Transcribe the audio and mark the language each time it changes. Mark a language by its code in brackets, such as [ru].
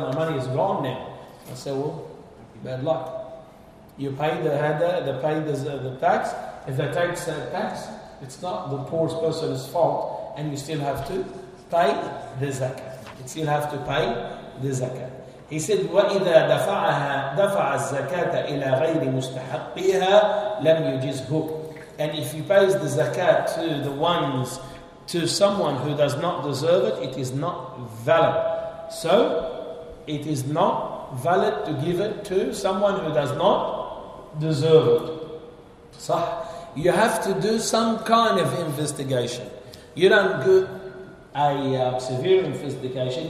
[en] My money is gone now. I say, well, bad luck. You pay the hadah, the tax. If the tax is tax, it's not the poorest person's fault. And you still have to pay the zakat. You still have to pay the zakat. [ar] He said, وَإِذَا دَفَعَهَا دَفَعَ الزَّكَاةَ إِلَى غَيْرِ مُسْتَحَقِّهَا لَمْ يُجِزْهُ. [en] And if he pays the zakat to the ones, to someone who does not deserve it, it is not valid. So, it is not valid to give it to someone who does not deserve it. [ar] صح? [en] You have to do some kind of investigation. You don't go a severe investigation.